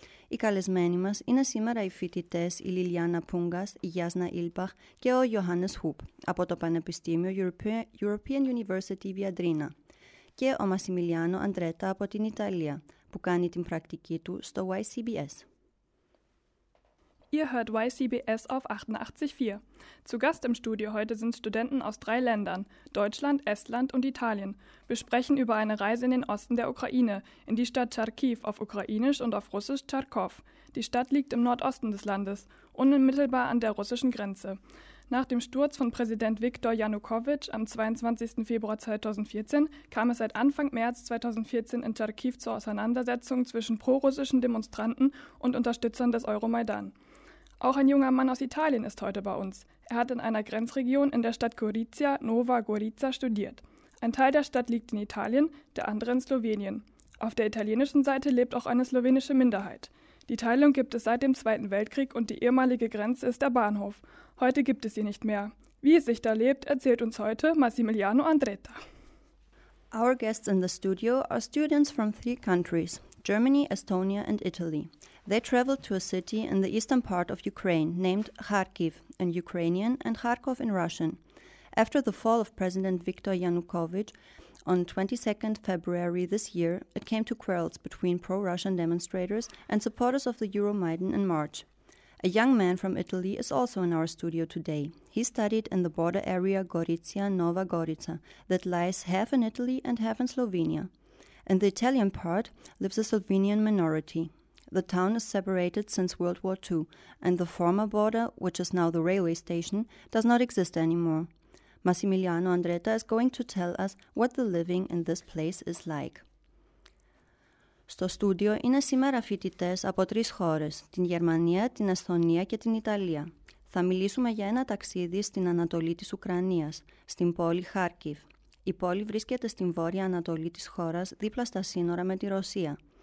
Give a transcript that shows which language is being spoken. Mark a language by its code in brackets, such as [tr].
[el] Οι καλεσμένοι μας είναι σήμερα οι φοιτητές η Λιλιάνα Πούγκας, η Γιάσνα Ήλπαχ και ο Ιωάννης Χουπ από το Πανεπιστήμιο European University Viadrina και ο Μασιμιλιάνο Αντρέτα από την Ιταλία που κάνει την πρακτική του στο YCBS. [de] Ihr hört YCBS auf 88.4. Zu Gast im Studio heute sind Studenten aus drei Ländern, Deutschland, Estland und Italien. Wir sprechen über eine Reise in den Osten der Ukraine, in die Stadt Charkiw auf Ukrainisch und auf Russisch Charkow. Die Stadt liegt im Nordosten des Landes, unmittelbar an der russischen Grenze. Nach dem Sturz von Präsident Viktor Janukowitsch am 22. Februar 2014 kam es seit Anfang März 2014 in Charkiw zur Auseinandersetzung zwischen prorussischen Demonstranten und Unterstützern des Euromaidan. Auch ein junger Mann aus Italien ist heute bei uns. Er hat in einer Grenzregion in der Stadt Gorizia, Nova Gorica, studiert. Ein Teil der Stadt liegt in Italien, der andere in Slowenien. Auf der italienischen Seite lebt auch eine slowenische Minderheit. Die Teilung gibt es seit dem Zweiten Weltkrieg und die ehemalige Grenze ist der Bahnhof. Heute gibt es sie nicht mehr. Wie es sich da lebt, erzählt uns heute Massimiliano Andretta. [en] Our guests in the studio are students from three countries, Germany, Estonia and Italy. They traveled to a city in the eastern part of Ukraine named Kharkiv in Ukrainian and Kharkov in Russian. After the fall of President Viktor Yanukovych on 22nd February this year, it came to quarrels between pro-Russian demonstrators and supporters of the Euromaidan in March. A young man from Italy is also in our studio today. He studied in the border area Gorizia-Nova Gorica that lies half in Italy and half in Slovenia. In the Italian part lives a Slovenian minority. The town is separated since World War II, and the former border, which is now the railway station, does not exist anymore. Massimiliano Andretta is going to tell us what the living in this place is like. [el] Στο στούντιο είναι σήμερα φοιτητές από τρεις χώρες, την Γερμανία, την Εσθονία και την Ιταλία. Θα μιλήσουμε για ένα ταξίδι στην Ανατολή της Ουκρανίας, στην πόλη Χάρκιβ. Η πόλη βρίσκεται στην βόρεια Ανατολή της χώρας, δίπλα στα σύνορα με τη Ρωσία.